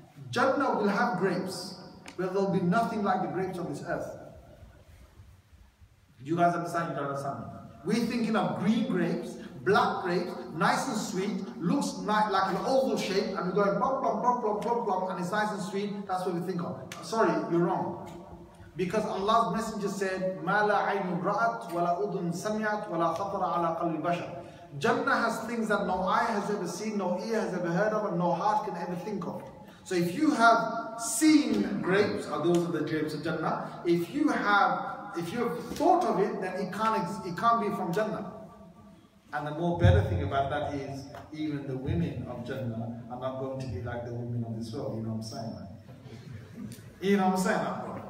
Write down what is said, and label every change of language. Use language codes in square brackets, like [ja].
[en] Jannah will have grapes, but there'll be nothing like the grapes on this earth. You guys understand? You don't understand? We're thinking of green grapes, black grapes, nice and sweet, looks like an oval shape, and we're going blop, blop, blop, blop, blop, blop, and it's nice and sweet, that's what we think of. Sorry, you're wrong. Because Allah's Messenger said, [ar] مَا لَا عَيْنٌ رَأَتْ وَلَا أُذُنْ سَمِعَتْ وَلَا خَطَرَ عَلَىٰ قَلْبِ بَشَرٍ. [en] Jannah has things that no eye has ever seen, no ear has ever heard of, and no heart can ever think of. So if you have seen grapes, or those are the grapes of Jannah, if you have thought of it, then it can't be from Jannah. And the more better thing about that is, even the women of Jannah are not going to be like the women of this world, you know what I'm saying? You know what I'm saying?